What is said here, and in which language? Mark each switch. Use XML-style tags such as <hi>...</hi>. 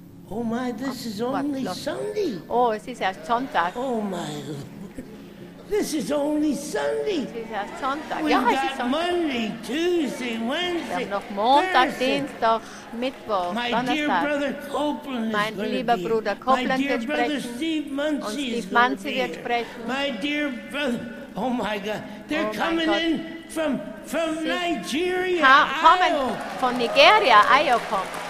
<en>Oh my, this is only Sunday.</en> <de>Oh, es ist erst Sonntag.</de> <en>Oh my, this is only Sunday.</en> <de>Es ist erst Sonntag.</de> <en>We've</en> <de>ja, es ist Sonntag.</de> <en>Monday, Tuesday, Wednesday.</en> <de>Wir haben noch Montag, Dienstag, Mittwoch,</de> <en>my</en> <de>Donnerstag.</de> <en>Dear brother Copeland</en> <de>mein lieber Bruder Copeland wird sprechen.</de> <en>My dear brother Steve Munsey</en> <de>und Steve Munsey wird sprechen.</de> <en>My dear brother, oh my God, they're coming in. From Nigeria,</en> <de>kommen von Nigeria, Ayo kommt.</de>